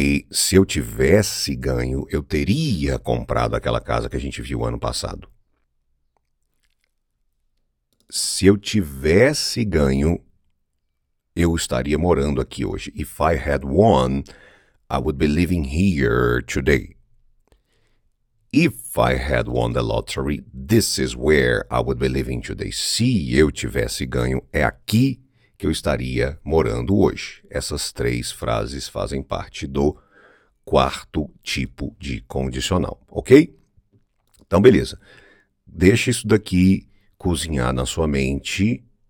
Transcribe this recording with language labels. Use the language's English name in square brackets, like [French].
[Portuguese] Se eu tivesse ganho, eu teria comprado aquela casa que a gente viu ano passado. Se eu tivesse ganho, eu estaria morando aqui hoje. [English] If I had won, I would be living here today. If I had won the lottery, this is where I would be living today. [Portuguese] Se eu tivesse ganho, é aqui que eu estaria morando hoje. Essas três frases fazem parte do quarto tipo de condicional, ok? Então, beleza. Deixa isso daqui cozinhar na sua mente.